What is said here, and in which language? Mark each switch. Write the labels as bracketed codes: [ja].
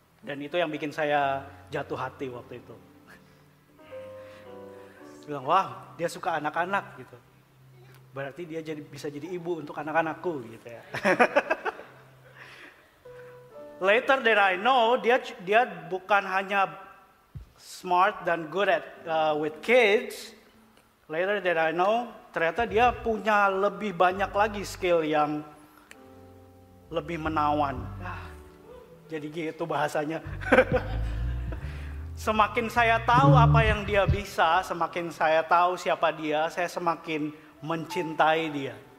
[id] Dan itu yang bikin saya jatuh hati waktu itu. Bilang, wah, dia suka anak-anak gitu. Berarti dia bisa jadi ibu untuk anak-anakku gitu ya. [en] Later than I know, [id] dia bukan hanya [en] smart [id] dan [en] good at with kids. Later than I know, [id] ternyata dia punya lebih banyak lagi skill yang lebih menawan. Jadi gitu bahasanya. Semakin saya tahu apa yang dia bisa, semakin saya tahu siapa dia, saya semakin mencintai dia.